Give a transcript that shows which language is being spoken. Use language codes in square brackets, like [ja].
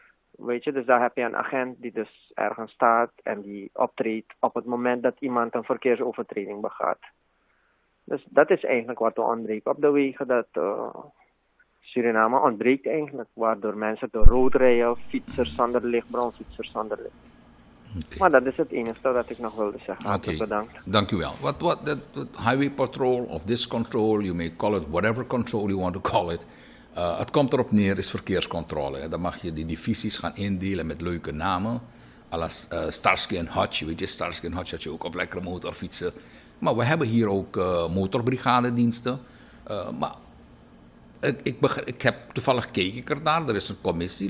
[nl] Weet je, dus daar heb je een agent die dus ergens staat en die optreedt op het moment dat iemand een verkeersovertreding begaat. Dus dat is eigenlijk wat we ontbreken op de wegen, dat Suriname ontbreekt eigenlijk, waardoor mensen door rood rijden, fietsers zonder licht, bronfietsers zonder licht. Okay. Maar dat is het enige dat ik nog wilde zeggen. Oké, okay. Bedankt. Dank u wel. [en] What highway patrol of this control, you may call it whatever control you want to call it. [nl] Het komt erop neer, is verkeerscontrole. Hè. Dan mag je die divisies gaan indelen met leuke namen. Alas Starsky en Hutch. Weet je, Starsky en Hutch had je ook op lekkere motorfietsen. Maar we hebben hier ook motorbrigadediensten. Maar ik heb toevallig gekeken ernaar. Er is een commissie.